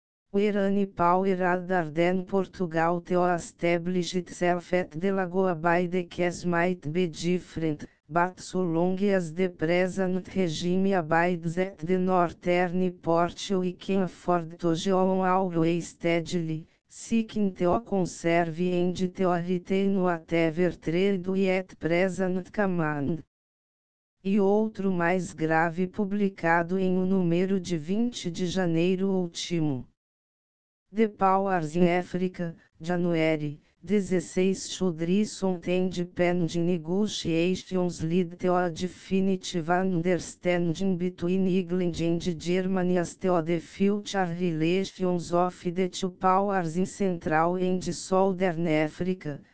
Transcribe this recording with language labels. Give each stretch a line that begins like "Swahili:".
English: Where any power other than Portugal to establish itself at the Lagoa Bay the case might be different, but so long as the present regime abides at the northern port we can afford to go on our way steadily, seeking to conserve and to retain whatever trade we at present command.
Portuguese: E outro mais grave publicado em o número de 20 de janeiro último.
English: The Powers in Africa, January, 16 should recent and pending negotiations lead to a definitive understanding between England and Germany as to the future relations of the two powers in Central and Southern Africa,